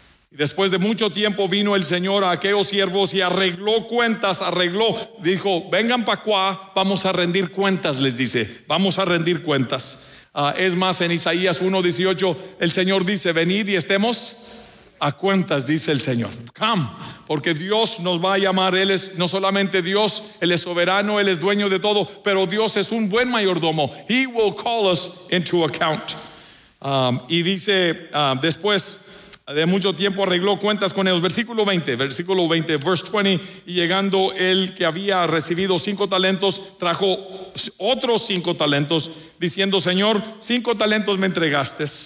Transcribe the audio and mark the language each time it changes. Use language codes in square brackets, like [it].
[es] Y después de mucho tiempo vino el señor a aquellos siervos y arregló cuentas, dijo, vengan pa' cuá, vamos a rendir cuentas, les dice, vamos a rendir cuentas. Es más, en Isaías 1:18, el señor dice, venid y estemos a cuentas, dice el Señor. Come, porque Dios nos va a llamar. Él es no solamente Dios, Él es soberano, Él es dueño de todo, pero Dios es un buen mayordomo. [en] He will call us into account. [es] Y dice, después de mucho tiempo arregló cuentas con ellos. Versículo 20, [en] verse 20. [es] Y llegando el que había recibido 5 talentos, trajo otros 5 talentos, diciendo, Señor, 5 talentos me entregaste.